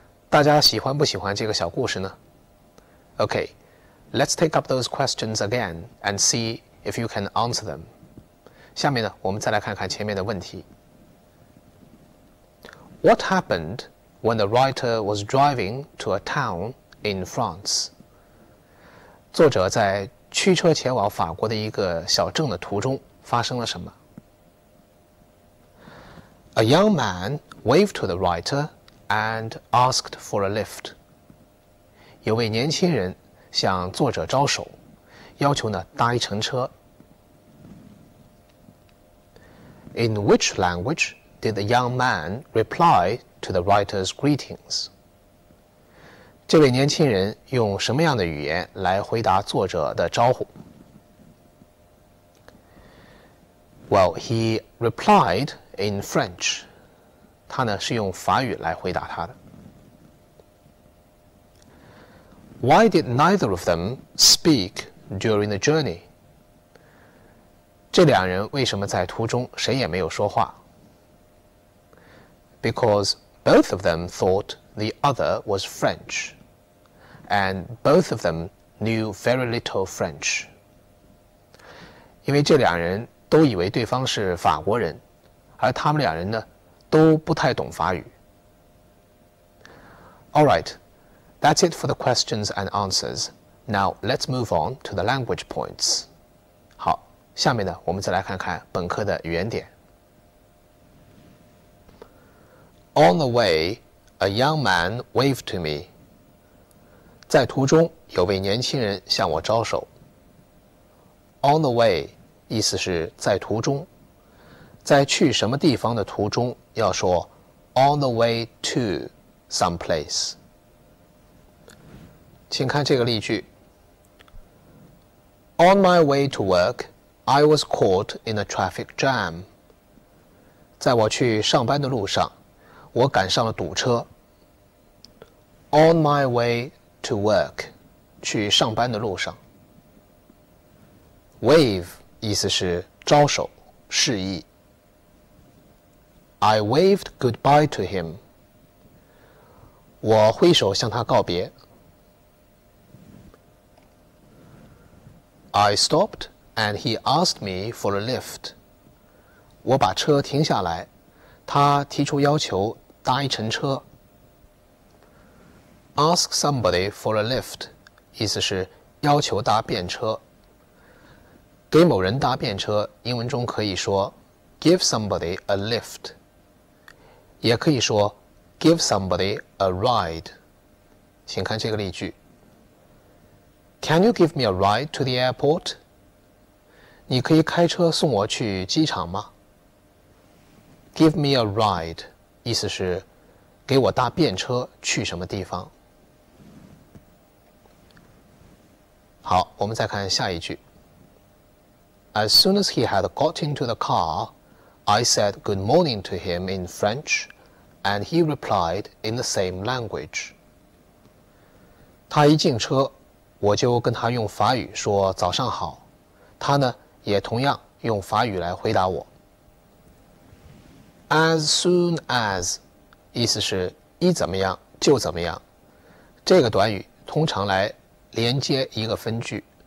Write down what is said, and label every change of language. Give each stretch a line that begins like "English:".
Chinese: 大家喜欢不喜欢这个小故事呢
English: ？Okay. Let's take up those questions again and see if you can answer them.
Chinese: 下面呢，我们再来看看前面的问题。
English: What happened? When the writer was driving to a town in France.
Chinese: 作者在驱车前往法国的一个小镇的途中发生了什么
English: ?A young man waved to the writer and asked for a lift.
Chinese: 有位年轻人向作者招手要求呢搭一乘车。
English: In which language did the young man reply to the writer's greetings.
Chinese: 这位年轻人用什么样的语言来回答作者的招呼
English: ?Well, he replied in French.
Chinese: 他呢是用法语来回答他的。
English: Why did neither of them speak during the journey?
Chinese: 这两人为什么在途中谁也没有说话
English: ?Because Both of them thought the other was French, and both of them knew very little French.
Chinese: 因为这两人都以为对方是法国人，而他们两人呢，都不太懂法语。
English: All right, that's it for the questions and answers. Now let's move on to the language points.
Chinese: 好，下面呢，我们再来看看本课的语言点。
English: On the way, a young man waved to me.
Chinese: 在途中，有位年轻人向我招手。
English: On the way
Chinese: 意思是在途中，在去什么地方的途中要说
English: On the way to someplace。
Chinese: 请看这个例句。
English: On my way to work, I was caught in a traffic jam。
Chinese: 在我去上班的路上，我赶上了堵车。
English: On my way to work,
Chinese: 去上班的路上。 Wave 意思是招手、示意。
English: I waved goodbye to him.
Chinese: 我挥手向他告别。
English: I stopped and he asked me for a lift.
Chinese: 我把车停下来，他提出要求搭一程车。
English: Ask somebody for a lift
Chinese: 意思是要求搭便车。给某人搭便车，英文中可以说
English: give somebody a lift，
Chinese: 也可以说
English: give somebody a ride。
Chinese: 请看这个例句。
English: Can you give me a ride to the airport？
Chinese: 你可以开车送我去机场吗？
English: Give me a ride
Chinese: 意思是给我搭便车去什么地方。好，我们再看下一句。
English: As soon as he had got into the car, I said good morning to him in French, and he replied in the same language.
Chinese: 他一进车，我就跟他用法语说早上好，他呢，也同样用法语来回答我。
English: As soon as,
Chinese: 意思是一怎么样就怎么样。这个短语通常来连接一个分句。